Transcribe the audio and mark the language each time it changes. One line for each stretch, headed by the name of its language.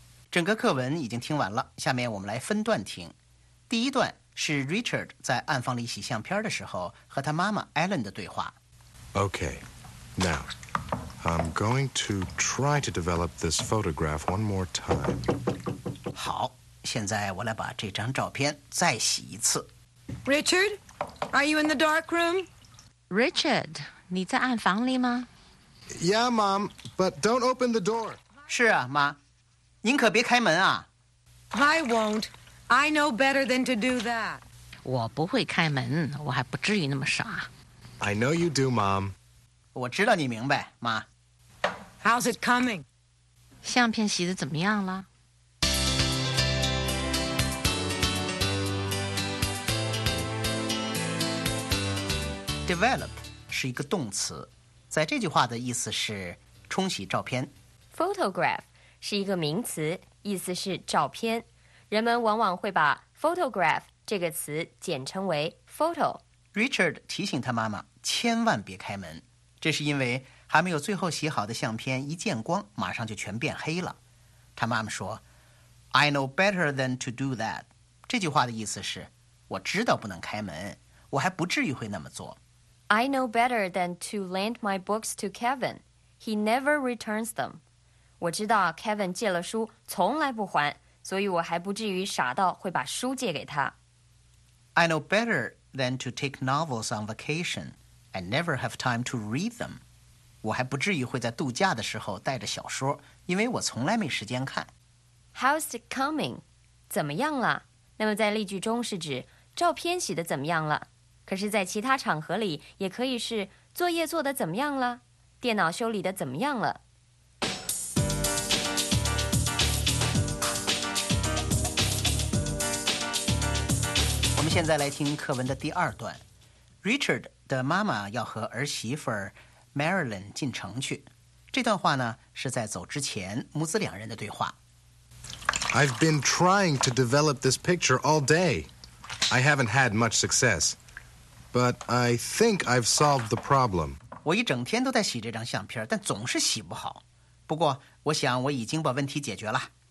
Chinese: 整个课文已经听完了，下面我们来分段听。第一段是 Richard 在暗房里洗相片的时候和他妈妈 Ellen 的对话。
English: Okay, now, I'm going to try to develop this photograph one more time.
Chinese: 好，现在我来把这张照片再洗一次。
English: Richard, are you in the dark room?
Chinese: Richard, 你在暗房里吗？
English: Yeah, Mom, but don't open the door.
Chinese: 是啊，妈，您可别开门啊。
English: I won't. I know better than to do that.
Chinese: 我不会开门，我还不至于那么傻。
English: I know you do, Mom.
Chinese: 我知道你明白，妈。
English: How's it coming?
Chinese: 相片洗得怎么样了？ develop 是一个动词，在这句话的意思是冲洗照片。 photograph 是一个名词，意思是照片。人们往往会把 photograph 这个词简称为 photo。 Richard 提醒他妈妈千万别开门，这是因为还没有最后洗好的相片一见光马上就全变黑了。他妈妈说
English: I know better than to do that，
Chinese: 这句话的意思是我知道不能开门，我还不至于会那么做。
English: I know better than to lend my books to Kevin. He never returns them.
Chinese: 我知道 Kevin 借了书从来不还，所以我还不至于傻到会把书借给他。
English: I know better than to take novels on vacation. I never have time to read them.
Chinese: 我还不至于会在度假的时候带着小说，因为我从来没时间看。
English: How's it coming?
Chinese: 怎么样了？那么在例句中是指照片洗得怎么样了？可是在其他场合里也可以是作业做得怎么样了，电脑修理得怎么样了。我们现在来听课文的第二段。Richard 的妈妈要和儿媳妇 Marilyn 进城去，这段话呢是在走之前母子两人的对话。
English: I've been trying to develop this picture all day. I haven't had much successBut I think I've solved the problem.
Chinese: 我一整天都在洗这张相片，但总是洗不好。不过，我想我已经把问题解决了。